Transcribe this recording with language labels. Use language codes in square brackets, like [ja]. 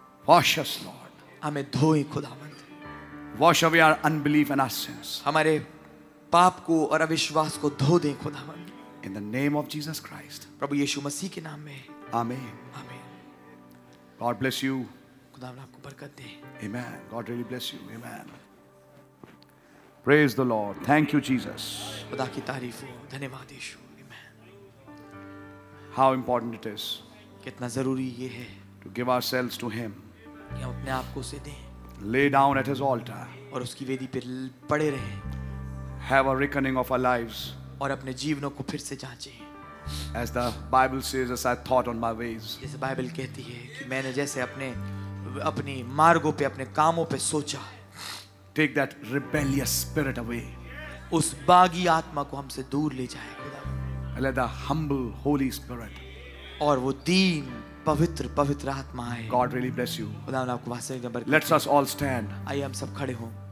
[en] Wash us, Lord. [hi] हमें धोएं खुदावंद. [en] Wash away our unbelief and our sins. [hi] हमारे पाप को और अविश्वास को धो दें खुदावन. [en] In the name of Jesus Christ. [hi] प्रभु यीशु मसीह के नाम में. [en] Amen. Amen. God bless you. [hi] खुदावन आपको बरकत दे. [en] Amen. God really bless you. Amen. Praise the Lord. Thank you, Jesus. [hi] खुदा की तारीफ हो. धन्यवाद यीशु. Amen. [en] How important it is. [hi] कितना जरूरी ये है. [en] To give ourselves to Him. [hi] कि हम अपने आप को उसे दें. [en] Lay down at His altar. [hi] और उसकी वेदी पर पड़े रहे. [en] Have a reckoning of our lives. [hi] और अपने जीवनों को फिर से जांचे. [en] As the Bible says, as I thought on my ways. [hi] जैसे बाइबल कहती है कि मैंने जैसे अपने अपनी मार्गों पे अपने कामों पे सोचा. [en] Take that rebellious spirit away. [hi] उस बागी आत्मा को हमसे दूर ले जाए. [en] Let the humble Holy Spirit. [hi] और वो दीन पवित्र पवित्र आत्मा आए. [en] God really bless you. [hi] खुदावन आपको वास्तविक में बरकत. [en] Let's us all stand. [hi] आइए हम सब खड़े हों.